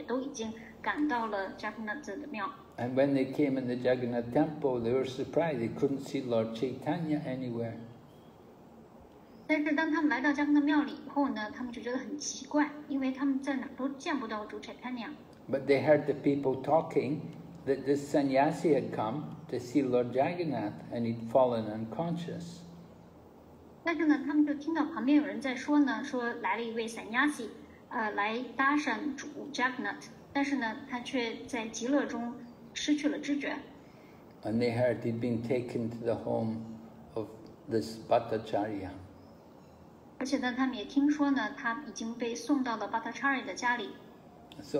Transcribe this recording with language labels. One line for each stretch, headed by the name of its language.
Chinese: 然后巴达查尔就在想，那怎么办呢？与此同时呢，其他那些奉献者，诸尼提亚南达还有其他那些奉献者们，这会儿也都已经赶到了扎古纳兹的庙。
English: And when they came in the Jagannath temple, they were surprised. They couldn't see Lord Chaitanya anywhere.
Chinese: 但是当他们来到迦叶那庙里以后呢，他们就觉得很奇怪，因为他们在哪都见不到主Chaitanya。
English: But they heard the people talking that this sannyasi had come to see Lord Jagannath and he'd fallen unconscious.
Chinese: 但是呢，他们就听到旁边有人在说呢，说来了一位sannyasi，来搭讪主Jagannath，但是呢，他却在极乐中失去了知觉。
English: And they heard he'd been taken to the home of this Bhattacharya.
Chinese: 而且呢，他们也听说呢，他已经被送到了巴达查尔的家里。
English: So